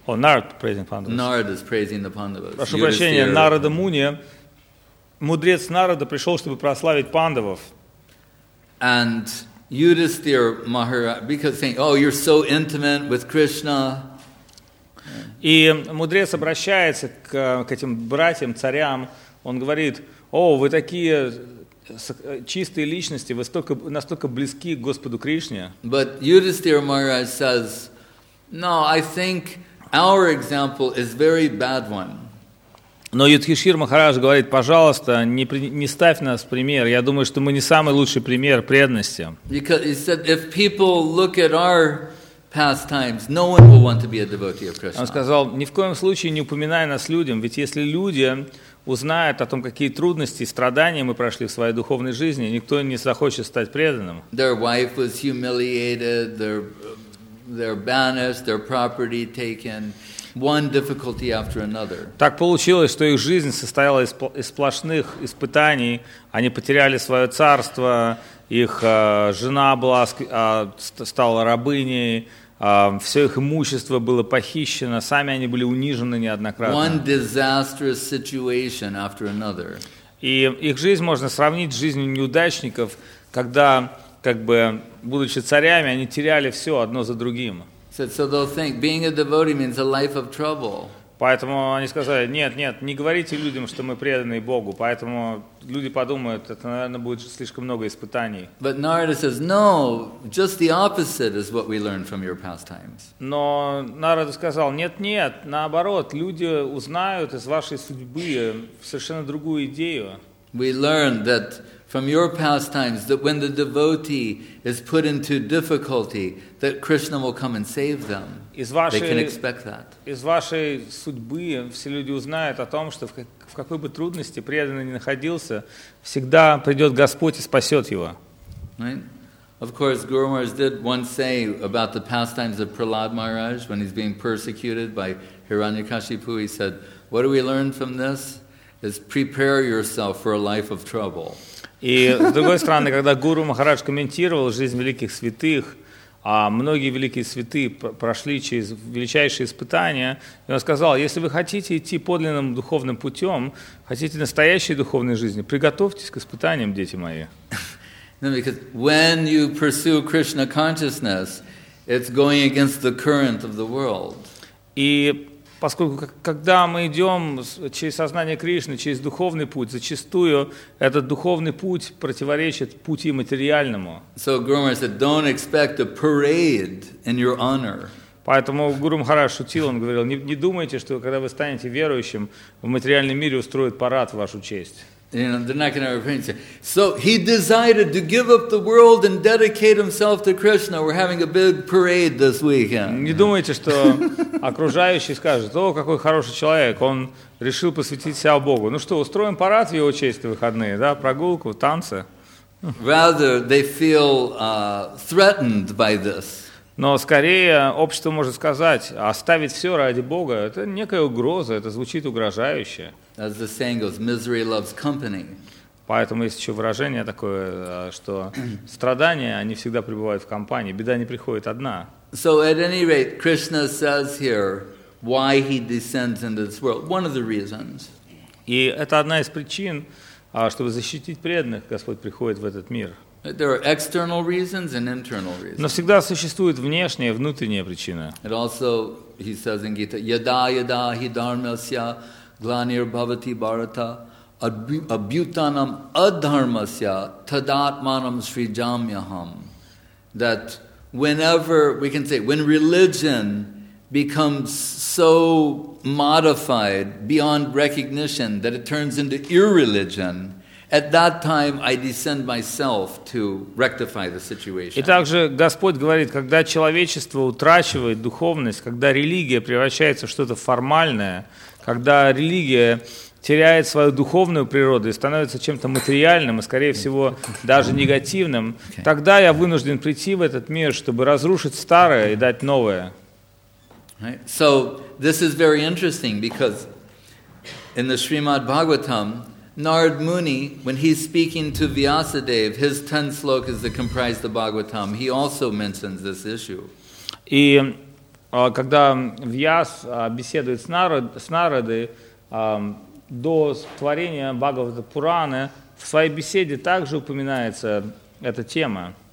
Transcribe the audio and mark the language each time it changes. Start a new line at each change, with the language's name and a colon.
English: Нарада praising the Пандавас.
Russian: Прошу прощения, Нарада Муни, мудрец Нарада пришел, чтобы прославить Пандавов.
English: And Yudhisthira Maharaj, because saying, oh, you're so intimate with Krishna.
Russian: И мудрец обращается к этим братьям, царям, он говорит, о, вы такие чистые личности, вы настолько близки к Господу Кришне.
English: But Yudhisthira Maharaj says, no, I think our example is very bad one.
Russian: Но Юдхиштхир Махарадж говорит, пожалуйста, не ставь нас в пример, я думаю, что мы не самый лучший пример преданности.
English: Because he said, if people look at our pastimes, no one will want to be a devotee of Krishna.
Russian: Он сказал, ни в коем случае не упоминай нас людям, ведь если люди узнают о том, какие трудности и страдания мы прошли в своей духовной жизни, никто не захочет стать преданным.
English: Their wife was humiliated, they're banished, their property taken. One difficulty after another.
Russian: Так получилось, что их жизнь состояла из сплошных испытаний. Они потеряли свое царство, их жена была, стала рабыней, все их имущество было похищено, сами они были унижены неоднократно.
English: One disastrous situation after another.
Russian: И их жизнь можно сравнить с жизнью неудачников, когда, как бы, будучи царями, они теряли все одно за другим.
English: So they'll think being a devotee means a life of trouble.
Russian: Поэтому они сказали: нет, нет, не говорите людям, что мы преданные Богу. Поэтому люди подумают, это, наверное, будет слишком много испытаний.
English: But Narada says, no, just the opposite is what we learn from your pastimes.
Russian: Но Нарада сказал: нет, нет, наоборот, люди узнают из вашей судьбы совершенно другую идею.
English: We learn that from your pastimes, that when the devotee is put into difficulty, that Krishna will come and save them. They can expect that.
Russian: Из вашей судьбы все люди узнают о том, что в какой бы трудности преданный ни находился, всегда придет Господь и спасет его.
English: Right? Of course, Guru Maharaj did once say about the pastimes of Prahlad Maharaj when he's being persecuted by Hiranyakashipu. He said, "What do we learn from this? Is prepare yourself for a life of trouble."
Russian: И, с другой стороны, когда Гуру Махарадж комментировал жизнь великих святых, а многие великие святые прошли через величайшие испытания, и он сказал: если вы хотите идти подлинным духовным путем, хотите настоящей духовной жизни, приготовьтесь к испытаниям, дети мои.
English: When you pursue Krishna consciousness, it's going against the current of the world.
Russian: И поскольку, когда мы идем через сознание Кришны, через духовный путь, зачастую этот духовный путь противоречит пути материальному.
English: So Guru Maharaj said, don't expect a parade in your honor.
Russian: Поэтому Гуру Махарадж шутил, он говорил: не думайте, что когда вы станете верующим, в материальном мире устроят парад в вашу честь.
English: You know, they're not going to repent. So he decided to give up the world and dedicate himself to Krishna. We're having a big parade this weekend.
Russian: Не думайте, что окружающие скажут: о, какой хороший человек, он решил посвятить себя Богу. Ну что, устроим парад в его честь в выходные, да, прогулку, танцы.
English: Rather, they feel threatened by this.
Russian: Но скорее общество может сказать: оставить все ради Бога – это некая угроза, это звучит угрожающе.
English: As the saying goes, misery loves company.
Russian: Поэтому есть еще выражение такое, что страдания, они всегда пребывают в компании, беда не приходит одна.
English: So at any rate, Krishna says here why he descends into this world. One of the reasons.
Russian: И это одна из причин, чтобы защитить преданных, Господь приходит в этот мир.
English: There are external reasons and internal reasons.
Russian: Но всегда существует внешняя и внутренняя причина.
English: It also, he says in Gita,
Sanskrit: yada yada hi dharmasya glanir bhavati bharata abhyutanam adharmasya tadatmanam srijamyaham.
English: That whenever, we can say, when religion becomes so modified beyond recognition that it turns into irreligion, at that time I descend myself to rectify the situation.
Russian: И также Господь говорит, когда человечество утрачивает духовность, когда религия превращается в что-то формальное, когда религия теряет свою духовную природу и становится чем-то материальным и, скорее всего, даже негативным, тогда я вынужден прийти в этот мир, чтобы разрушить старое и дать новое.
English: Right. So this is very interesting because in the Srimad Bhagavatam, Narad Muni, when he's speaking to Vyasadeva, his 10 slokas that comprise the Bhagavatam, he also mentions this issue.
Russian: И когда Вьяс беседует с Нарадой до творения Бхагавата Пураны, в своей беседе также упоминается эта тема.